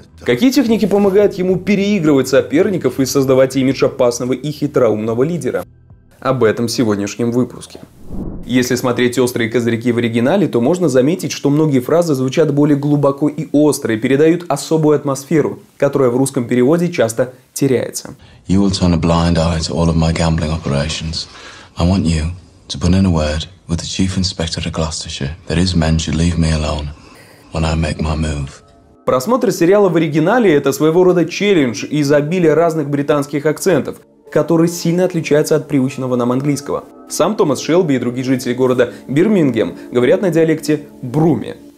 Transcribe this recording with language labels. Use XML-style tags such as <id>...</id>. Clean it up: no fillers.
<ru>Какие техники помогают ему переигрывать соперников и создавать имидж опасного и хитроумного лидера? Об этом в сегодняшнем выпуске. Если смотреть «Острые козырьки» в оригинале, то можно заметить, что многие фразы звучат более глубоко и остро и передают особую атмосферу, которая в русском переводе часто теряется.</ru> <en>You will turn a blind eye to all of my gambling operations. I want you to put in a word with the chief inspector of Gloucestershire that his men should leave me alone when I make my move.</en> <ru>Просмотр сериала в оригинале – это своего рода челлендж из обилия разных британских акцентов, который сильно отличается от привычного нам английского. Сам Томас Шелби и другие жители города Бирмингем говорят на диалекте «Бруми».</ru>